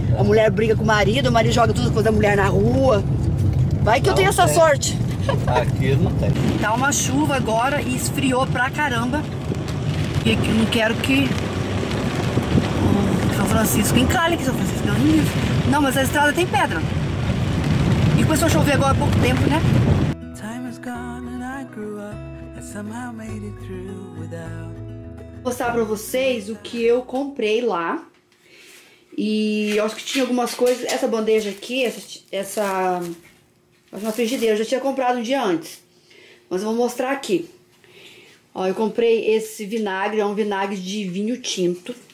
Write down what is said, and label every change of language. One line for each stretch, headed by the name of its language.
Portuguese: A mulher briga com o marido joga tudo com a mulher na rua. Vai que não, eu tenho essa sorte. Aqui não tem. Tá uma chuva agora e esfriou pra caramba. E aqui eu não quero que... São Francisco, encalhe aqui, São Francisco. Não, mas a estrada tem pedra. E começou a chover agora há pouco tempo, né?
English: Time has gone and I grew up. I somehow made it through without...
Portuguese: Vou mostrar pra vocês o que eu comprei lá. E eu acho que tinha algumas coisas. Essa bandeja aqui, essa uma frigideira, eu já tinha comprado um dia antes. Mas eu vou mostrar aqui. Ó, eu comprei esse vinagre, é um vinagre de vinho tinto.